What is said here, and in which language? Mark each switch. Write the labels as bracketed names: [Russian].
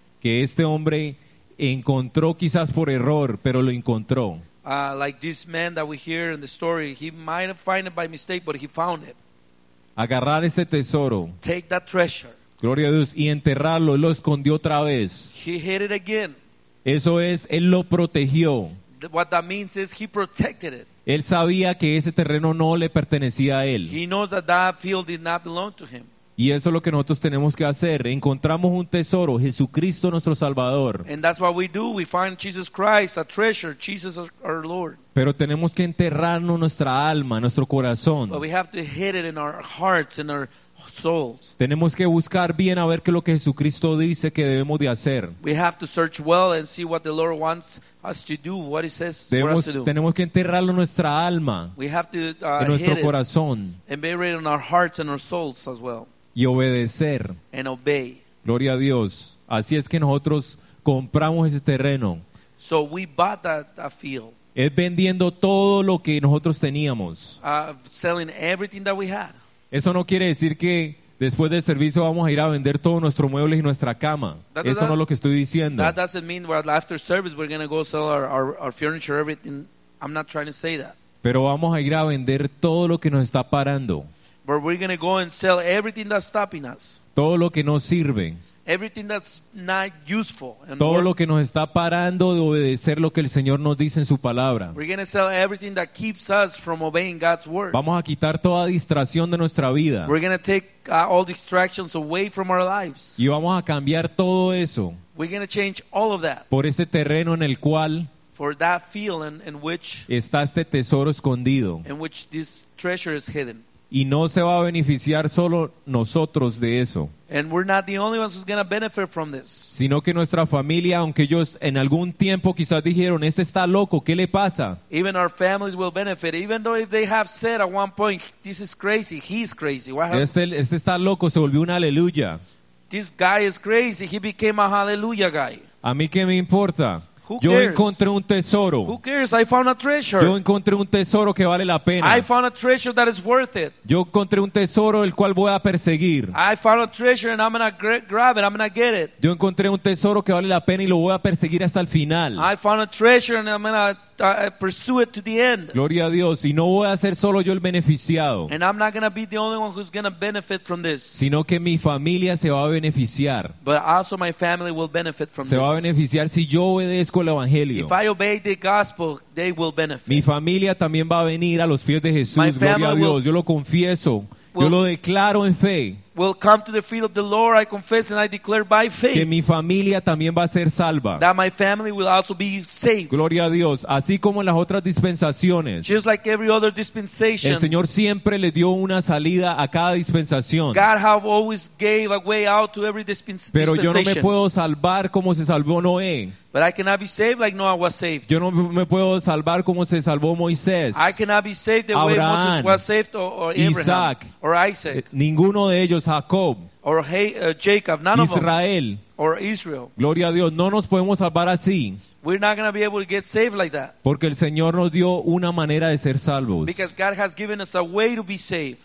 [Spanish] que este hombre encontró quizás por error, pero lo encontró. [English] Like this man that we hear in the story, he might have found it by mistake, but he found it. [Spanish] Agarrar este tesoro, [English] take that treasure, [Spanish] gloria a Dios, y enterrarlo, lo escondió otra vez. [English] He hid it again. [Spanish] Eso es, él lo protegió. [English] What that means is he protected it. [Spanish] Él sabía que ese terreno no le pertenecía a él. [English] He knows that that field did not belong to him. [Spanish] Y eso es lo que nosotros tenemos que hacer. Encontramos un tesoro, Jesucristo nuestro Salvador. [English] And that's what we do. We find Jesus Christ, a treasure, Jesus our Lord. [Spanish] Pero tenemos que enterrarnos nuestra alma, nuestro corazón. [English] But we have to hide it in our hearts, in our souls. [Spanish] Tenemos que buscar bien a ver qué es lo que Jesucristo dice que debemos de hacer. [English] We have to search well and see what the Lord wants us to do, what he says [Spanish] debemos, [English] for us to do. [Spanish] Tenemos que enterrarlo en nuestra alma, [English] we have to, [Spanish] en nuestro corazón. [English] And bury it in our hearts and our souls as well. [Spanish] Y obedecer. [English] And obey. [Spanish] Gloria a Dios. Así es que nosotros compramos ese terreno. [English] So we bought that field. [Spanish] Es vendiendo todo lo que nosotros teníamos. [English] Selling everything that we had. [Spanish] Eso no quiere decir que después del servicio vamos a ir a vender todos nuestros muebles y nuestra cama. Eso no es lo que estoy diciendo. [English] That doesn't mean that after service we're going to go sell our furniture, everything. I'm not trying to say that. [Spanish] Pero vamos a ir a vender todo lo que nos está parando. [English] But we're going to go and sell everything that's stopping us. [Spanish] Todo lo que nos sirve. [English] Everything that's not useful. [Spanish] And todo lo que nos está parando de obedecer lo que el Señor nos dice en su palabra. [English] We're going to sell everything that keeps us from obeying God's word. [Spanish] Vamos a quitar toda distracción de nuestra vida. [English] We're going to take all distractions away from our lives. [Spanish] Y vamos a cambiar todo eso. [English] We're going to change all of that. [Spanish] Por ese terreno en el cual [English] for that field in which [Spanish] está este tesoro escondido. [English] In which this treasure is hidden. [Spanish] Y no se va a beneficiar solo nosotros de eso. [English] And we're not the only ones who's going to benefit from this. [Spanish] Sino que nuestra familia, aunque ellos en algún tiempo quizás dijeron, este está loco, ¿qué le pasa? [English] Even our families will benefit. Even though if they have said at one point, this is crazy, he's crazy. What happened? [Spanish] Este está loco, se volvió un aleluya. [English] This guy is crazy, he became a hallelujah guy. [Spanish] ¿A mí qué me importa? [English] Who [Spanish] yo [English] cares? [Spanish] Encontré un tesoro. [English] Who cares? I found a treasure. [Spanish] Yo encontré un tesoro que vale la pena. [English] I found a treasure that is worth it. [Spanish] Yo encontré un tesoro el cual voy a perseguir. [English] I found a treasure and I'm gonna grab it. I'm gonna get it. [Spanish] Yo encontré un tesoro que vale la pena y lo voy a perseguir hasta el final. [English] I found a treasure and I'm gonna pursue it to the end. [Spanish] Gloria a Dios. Y no voy a ser solo yo el beneficiado. [English] And I'm not gonna be the only one who's gonna benefit from this. [Spanish] Sino que mi familia se va a beneficiar. [English] But also my family will benefit from this. [Spanish] Se va a beneficiar si yo obedezco. [English] If I obey the gospel, they will benefit. [Spanish] Mi familia también va a venir a los pies de Jesús. Gloria a Dios. Yo lo confieso. Yo lo declaro en fe. [English] Will come to the feet of the Lord. I confess and I declare by faith. [Spanish] Que mi familia también va a ser salva. [English] That my family will also be saved. [Spanish] Gloria a Dios. Así como en las otras dispensaciones. [English] Just like every other dispensation. [Spanish] El Señor siempre le dio una salida a cada dispensación. [English] God have always gave a way out to every dispensation. [Spanish] Pero yo no me puedo salvar como se salvó Noé. [English] But I cannot be saved like Noah was saved. [Spanish] Yo no me puedo salvar como se salvó Moisés. [English] I cannot be saved the [Spanish] Abraham, [English] way Moses was saved or Abraham. [Spanish] Isaac. [English] Or Isaac. [Spanish] Ninguno de ellos. Jacob, [English] or Jacob, none [Spanish] Israel, [English] of them, or Israel. [Spanish] Gloria a Dios. No nos podemos salvar así. [English] We're not going to be able to get saved like that. [Spanish] Porque el Señor nos dio una manera de ser salvos. [English] Because God has given us a way to be saved.